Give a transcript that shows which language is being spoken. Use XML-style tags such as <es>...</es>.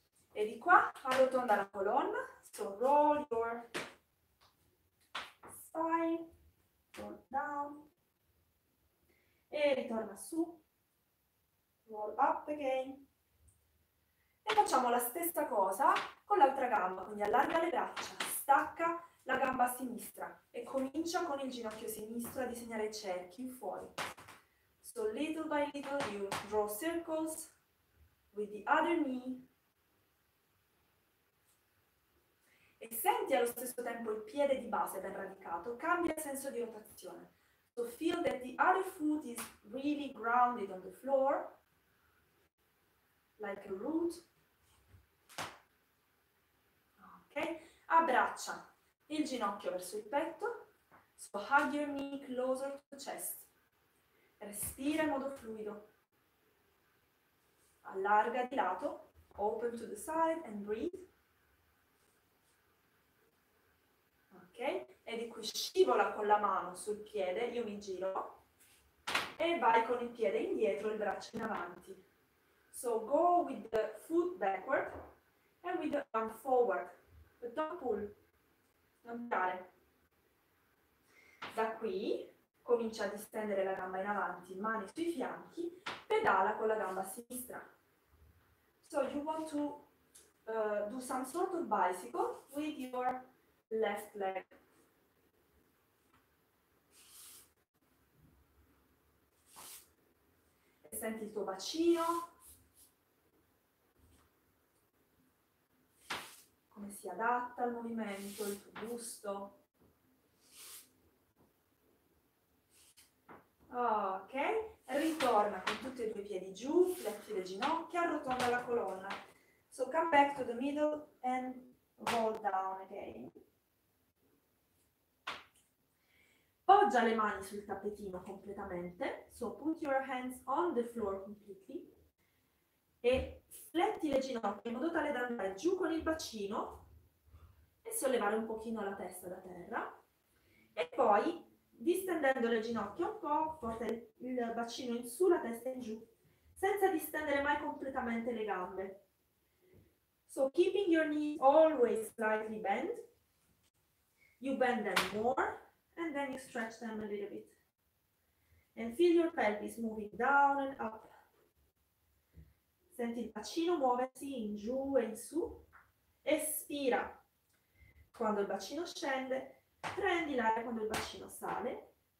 <it>E di qua arrotonda la colonna,</it> <en>so roll your spine, roll down,</en> <it>e ritorna su,</it> <en>roll up again,</en> <it>e facciamo la stessa cosa con l'altra gamba, quindi allarga le braccia, stacca la gamba sinistra e comincia con il ginocchio sinistro a disegnare cerchi in fuori.</it> <en>So little by little you draw circles with the other knee.</en> <it>E senti allo stesso tempo il piede di base ben radicato, cambia senso di rotazione.</it> <en>So feel that the other foot is really grounded on the floor, like a root.</en> <it>Ok, abbraccia il ginocchio verso il petto.</it> <en>So hug your knee closer to the chest.</en> <it>Respira in modo fluido. Allarga di lato,</it> <en>open to the side and breathe.</en> <it>Ok, e di qui scivola con la mano sul piede, io mi giro e vai con il piede indietro, il braccio in avanti.</it> <en>So go with the foot backward and with the arm forward, but don't pull,</en> <it>non tirare. Da qui comincia a distendere la gamba in avanti, mani sui fianchi, pedala con la gamba sinistra.</it> <en>So you want to do some sort of bicycle with your left leg.</en> <it>E senti il tuo bacino, come si adatta al movimento, il tuo busto. Ok, ritorna con tutti e due i piedi giù, flexi le ginocchia, arrotonda la colonna.</it> <en>So come back to the middle and roll down again.</en> <it>Poggia le mani sul tappetino completamente,</it> <en>so put your hands on the floor completely,</en> <it>e fletti le ginocchia in modo tale da andare giù con il bacino e sollevare un pochino la testa da terra, e poi distendendo le ginocchia un po', porta il bacino in su, la testa in giù, senza distendere mai completamente le gambe.</it> <en>So keeping your knees always slightly bent, you bend them more, and then you stretch them a little bit. And feel your pelvis moving down and up.</en> <it>Senti il bacino muoversi in giù e in su. Espira. Quando il bacino scende, prendi l'aria quando il bacino sale.</it>